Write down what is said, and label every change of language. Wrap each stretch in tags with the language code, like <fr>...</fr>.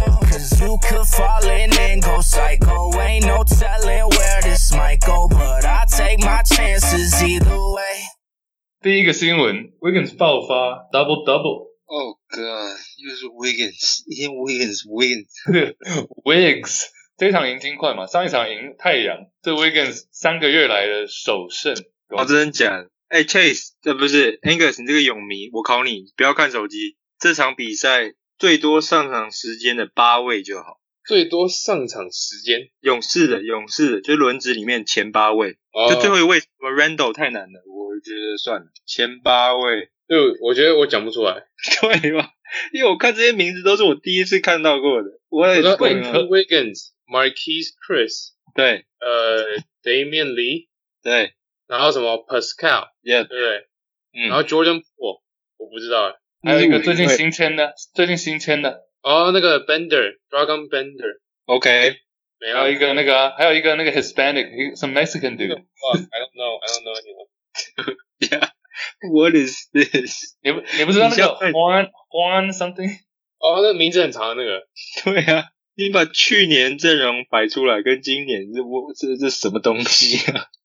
<en>Cause you could fall in and go psycho. Ain't no telling where this might go. But I take my chances either way.</en> <zh>第一个新闻， Wiggins 爆发 double double.</zh> <en>Oh god,</en> <zh>又是 Wiggins， 一天 Wiggins Wiggs。这一场赢金块嘛，上一场赢太阳，这 Wiggins 三个月来的首胜。哦，真的假的？欸 ，Chase， 这不是 Angus， 你这个勇迷，我考你，不要看手机。这场比赛最多上场时间的八位就好。最多上场时间？勇士的，就轮值里面前八位。哦、就最后一位什么 Randall 太难了，我觉得算了。前八位，就我觉得我讲不出来。对吧？因为我看这些名字都是我第一次看到过的。我也是。Andrew Wiggins, Marquise Chris, 对， Damian Lee, 对，然后什么 Pascal,</zh> <en>yeah,</en> <zh>对，然后 Jordan Poole, 我不知道，还有一个最近新签的，最近新签的，哦，那个 Bender, Dragon Bender,</zh> <en>OK,</en> <zh>还有一个那个，还有一个那个</zh> <en>Hispanic, some Mexican dude, I don't know anyone, yeah, what is this?</en> <zh>你不知道那个 Juan something? 哦，那名字很长那个。对啊，你把去年阵容摆出来跟今年这什么东西啊。</zh>